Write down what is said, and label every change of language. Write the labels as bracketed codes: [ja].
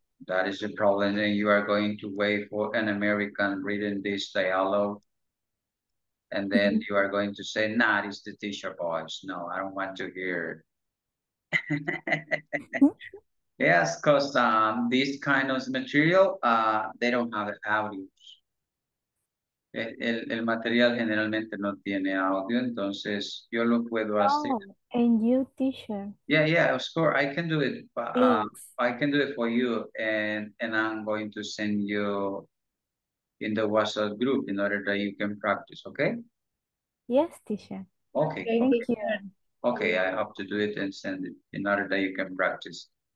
[en] That is the problem, and you are going to wait for an American reading this dialogue. And then mm-hmm. you are going to say, nah, it's the teacher voice. No, I don't want to hear it. Yes, because this kind of material, they don't have audios. [es] El material generalmente no tiene audio, entonces yo lo puedo hacer. [en] And you, teacher. Yeah, of course, I can do it. I can do it for you, and I'm going to send you in the WhatsApp group in order that you can practice, okay? Yes, teacher. Okay. Thank you. Okay, I have to do it and send it in order that you can practice.